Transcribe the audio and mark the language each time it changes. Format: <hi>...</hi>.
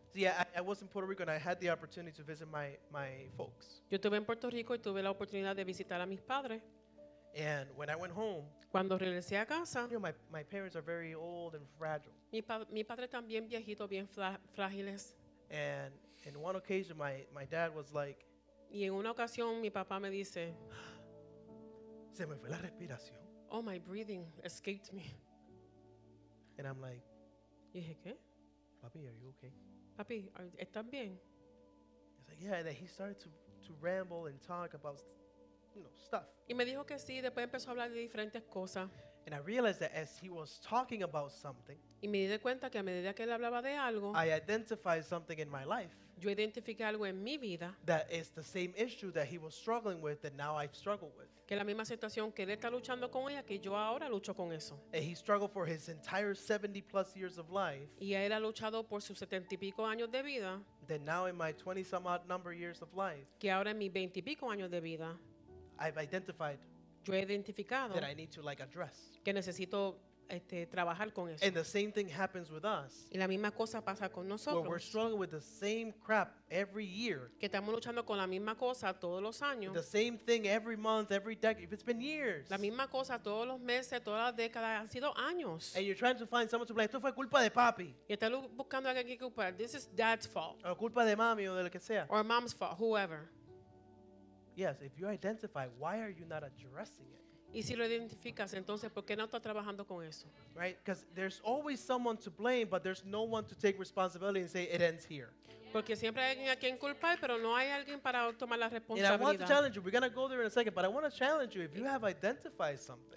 <en>Yeah, I was in Puerto Rico, and I had the opportunity to visit my folks.</en> <es>Yo estuve en Puerto Rico y tuve la oportunidad de visitar a mis padres.</es> <en>And when I went home,</en> <es>cuando regresé a casa,</es> <en>you know, my parents are very old and fragile.</en> <es>Mi padre también viejito, bien frágiles.</es> <en>And in one occasion, my dad was like,</en> <es>y en una ocasión, mi papá me dice, se me fue la respiración.</es> <en>Oh, my breathing escaped me. And I'm like,</en> <es>y dije, ¿qué?</es> <en>Papi, are you okay?</en> <es>Papi, ¿estás bien?</es> <en>He's like, yeah, that he started to ramble and talk about, you know, stuff.</en> <es>Y me dijo que sí, después empezó a hablar de diferentes cosas.</es> <en>And I realized that as he was talking about something,</en> <es>y me di cuenta que a medida que él hablaba de algo,</es> <en>I identified something in my life.</en> <es>Yo identifiqué algo en mi vida.</es> <en>That is the same issue that he was struggling with that now I've struggled with.</en> <es>Que la misma situación que él está luchando con ella, que yo ahora lucho con eso.</es> <en>And he struggled for his entire 70 plus years of life.</en> <es>Y él ha luchado por sus 70 y pico años de vida.</es> <en>That now in my 20 some odd number years of life.</en> <es>Que ahora en mis 20 y pico años de vida.</es> <en>I've identified.</en> <es>Yo he identificado.</es> <en>That I need to like address.</en> <es>Que necesito trabajar con eso.</es> <en>And the same thing happens with us.</en> <es>Y la misma cosa pasa con nosotros.</es> <en>Where we're struggling with the same crap every year.</en> <es>Que estamos luchando con la misma cosa todos los años.</es> <en>The same thing every month, every decade. If it's been years.</en> <es>La misma cosa todos los meses, todas las décadas, han sido años.</es> <en>And you're trying to find someone to blame.</en> <es>Esto fue culpa de papi. Y estás buscando a alguien que culpa.</es> <en>This is dad's fault.</en> <es>O culpa de mami o de lo que sea.</es> <en>Or mom's fault, whoever. Yes, if you identify, why are you not addressing it?</en> <es>Y si lo identificas, entonces, ¿por qué no estás trabajando con eso?</es> <en>Right? Because there's always someone to blame, but there's no one to take responsibility and say, it ends here.</en> <es>Porque siempre hay alguien a quien culpar, pero no hay alguien para tomar la responsabilidad.</es> <en>And I want to challenge you. We're going to go there in a second, but I want to challenge you. If you have identified something,</en>